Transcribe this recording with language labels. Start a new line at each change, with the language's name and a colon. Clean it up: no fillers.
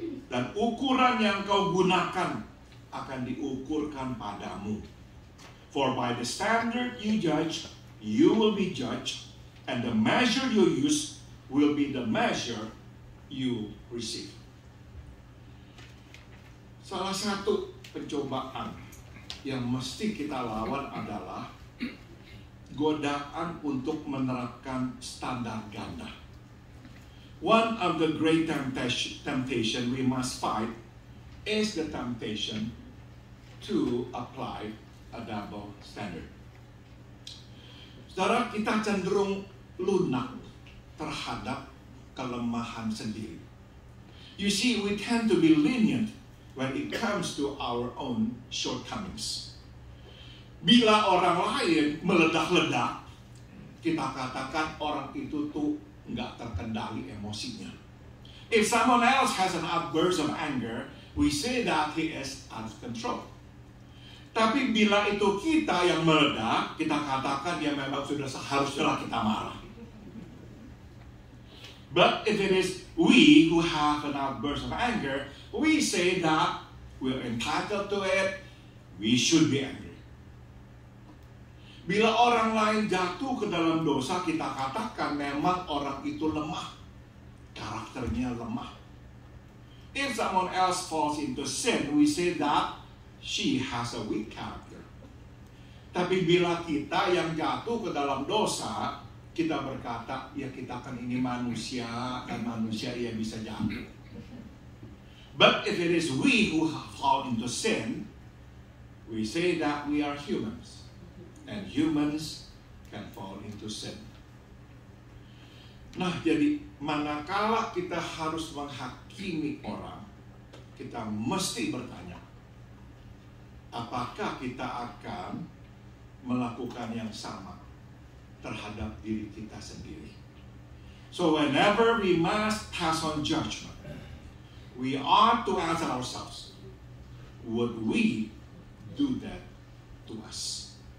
Indonesian: Dan ukuran yang kau gunakan akan diukurkan padamu.
English: For by the standard you judge, you will be judged. And the measure you use will be the measure you receive.
Indonesian: Salah satu pencobaan yang mesti kita lawan adalah godaan untuk menerapkan standar ganda.
English: One of the great temptation we must fight is the temptation to apply a double standard.
Indonesian: Saudara, kita cenderung lunak terhadap kelemahan sendiri.
English: You see, we tend to be lenient when it comes to our own shortcomings.
Indonesian: Bila orang lain meledak-ledak, kita katakan orang itu tuh enggak terkendali emosinya.
English: If someone else has an outburst of anger, we say that he is out of control.
Indonesian: Tapi bila itu kita yang meledak, kita katakan dia memang sudah seharusnya kita marah.
English: But if it is we who have an outburst of anger, we say that we're entitled to it, we should be angry.
Indonesian: Bila orang lain jatuh ke dalam dosa, kita katakan memang orang itu lemah, karakternya lemah.
English: If someone else falls into sin, we say that she has a weak character.
Indonesian: Tapi bila kita yang jatuh ke dalam dosa, kita berkata, ya kita kan ini manusia, dan manusia ya bisa jatuh.
English: But if it is we who have fallen into sin, we say that we are humans. And humans can fall into sin.
Indonesian: Nah, jadi manakala kita harus menghakimi orang, kita mesti bertanya, apakah kita akan melakukan yang sama terhadap diri kita sendiri.
English: So whenever we must pass on judgment, we ought to ask ourselves, would we do that to us?